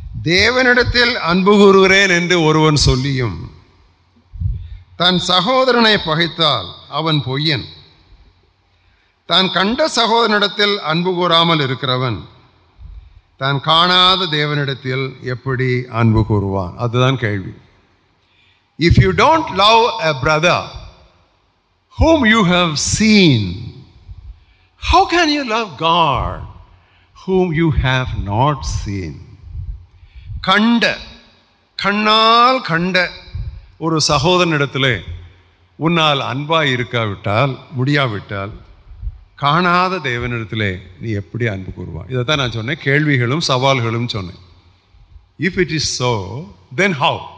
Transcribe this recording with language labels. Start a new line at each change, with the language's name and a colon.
Tamil: தேவனிடத்தில் அன்பு கூறுகிறேன் என்று ஒருவன் சொல்லியும் தன் சகோதரனை பகைத்தால் அவன் பொய்யன். தான் கண்ட சகோதரனிடத்தில் அன்பு கூறாமல் இருக்கிறவன் தான் காணாத தேவனிடத்தில் எப்படி அன்பு கூறுவான்? அதுதான் கேள்வி.
English: If you don't love a brother whom you have seen, how can you love God whom you have not seen?
Tamil: கண்ணால் கண்ட ஒரு சகோதரனிடத்திலே உன்னால் அன்பாய் இருக்காவிட்டால், முடியாவிட்டால், காணாத தேவனிடத்திலே நீ எப்படி அன்பு கூறுவாய்? இதை தான் நான் சொன்னேன், கேள்விகளும் சவால்களும் சொன்னேன்.
English: If it is so, then how?